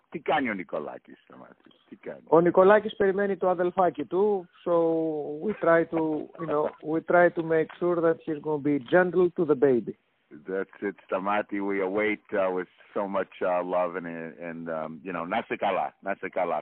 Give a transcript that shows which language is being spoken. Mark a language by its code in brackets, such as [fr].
[el] Τι κάνει ο Νικολάκης, σταμάτησε. Τι κάνει. Ο Νικολάκης περιμένει το αδελφάκι του. [en] So we try to, you know, we try to make sure that he's going to be gentle to the baby. That's it, Σταμάτη. We await with so much love and you know, να σε καλά, να σε καλά.